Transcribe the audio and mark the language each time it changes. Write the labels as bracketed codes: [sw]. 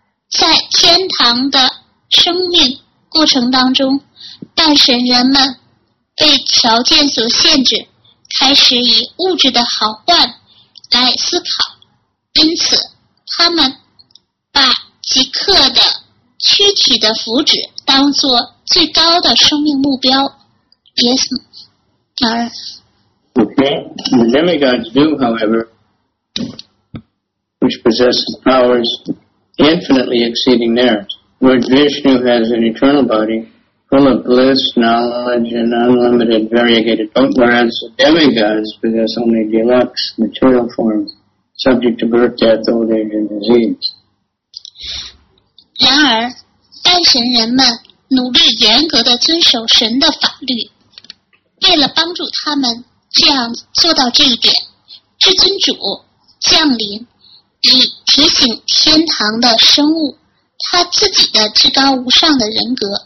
[zh] 在天堂的生命过程当中，半神人们被条件所限制，开始以物质的好坏来思考，因此他们把即刻的躯体的福祉当作最高的生命目标。 [en] Yes, Mara. Okay, the demigods do, however, which possess powers infinitely exceeding theirs. Lord Vishnu has an eternal body full of bliss, knowledge, and unlimited variegated potency, whereas the demigods possess only deluxe material forms subject to birth, death, old age, and disease. [zh] 然而，半神人们努力严格地遵守神的法律。为了帮助他们这样做到这一点，至尊主降临，以提醒天堂的生物他自己的至高无上的人格。